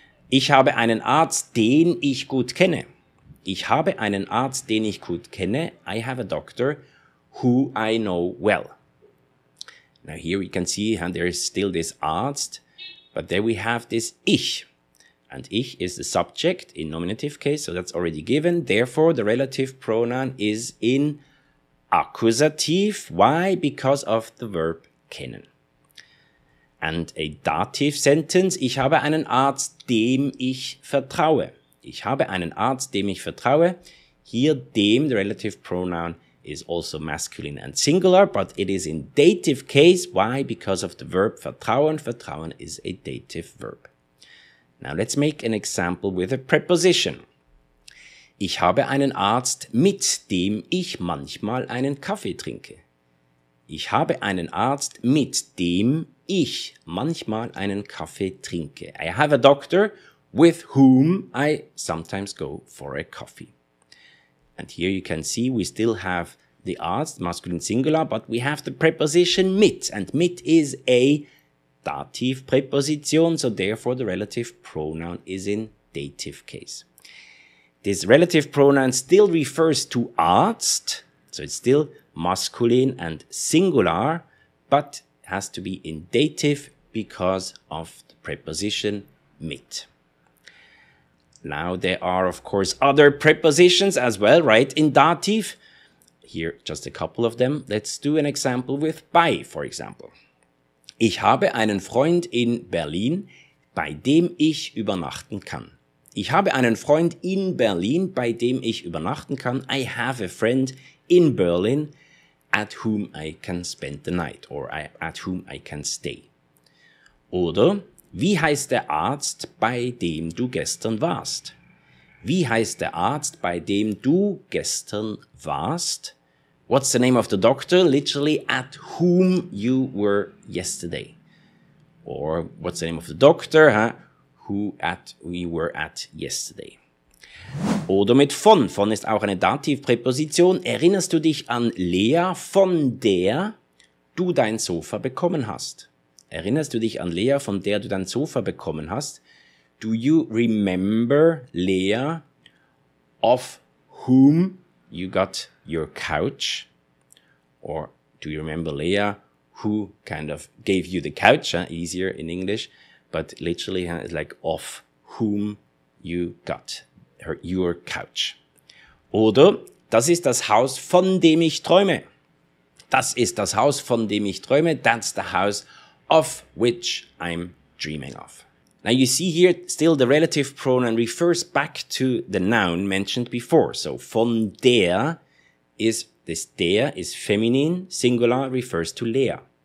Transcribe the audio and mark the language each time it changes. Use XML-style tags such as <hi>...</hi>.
<de>Ich habe einen Arzt, den ich gut kenne. Ich habe einen Arzt, den ich gut kenne.</de> <en>I have a doctor who I know well. Now here we can see how there is still this Arzt, but there we have this Ich. And Ich is the subject in nominative case, so that's already given. Therefore, the relative pronoun is in accusative. Why? Because of the verb kennen. And a dative sentence,</en> <de>ich habe einen Arzt, dem ich vertraue. Ich habe einen Arzt, dem ich vertraue.</de> <en>Here, dem, the relative pronoun, is also masculine and singular, but it is in dative case. Why? Because of the verb vertrauen. Vertrauen is a dative verb. Now let's make an example with a preposition.</en> <de>Ich habe einen Arzt, mit dem ich manchmal einen Kaffee trinke. Ich habe einen Arzt, mit dem ich manchmal einen Kaffee trinke.</de> <en>I have a doctor with whom I sometimes go for a coffee. And here you can see we still have the Arzt, masculine singular, but we have the preposition mit. And mit is a dative preposition, so therefore the relative pronoun is in dative case. This relative pronoun still refers to Arzt, so it's still masculine and singular, but has to be in dative because of the preposition mit. Now, there are, of course, other prepositions as well, right, in dative. Here, just a couple of them. Let's do an example with bei, for example.</en> <de>Ich habe einen Freund in Berlin, bei dem ich übernachten kann. Ich habe einen Freund in Berlin, bei dem ich übernachten kann.</de> <en>I have a friend in Berlin at whom I can spend the night or at whom I can stay.</en> <de>Oder, wie heißt der Arzt, bei dem du gestern warst? Wie heißt der Arzt, bei dem du gestern warst?</de> <en>What's the name of the doctor? Literally, at whom you were yesterday. Or what's the name of the doctor, huh? Who at we were at yesterday.</en> <de>Oder mit von. Von ist auch eine Dativpräposition. Erinnerst du dich an Lea, von der du dein Sofa bekommen hast? Erinnerst du dich an Lea, von der du dein Sofa bekommen hast?</de> <en>Do you remember Lea, of whom you got your couch? Or do you remember Lea, who kind of gave you the couch? Easier in English, but literally it's like of whom you got your couch. Oder</en> <de>Das ist das Haus, von dem ich träume. Das ist das Haus, von dem ich träume.</de> <en>That's the house of which I'm dreaming of. Now you see here still the relative pronoun refers back to the noun mentioned before. So von der is this der is feminine, singular, refers to Lea.</en>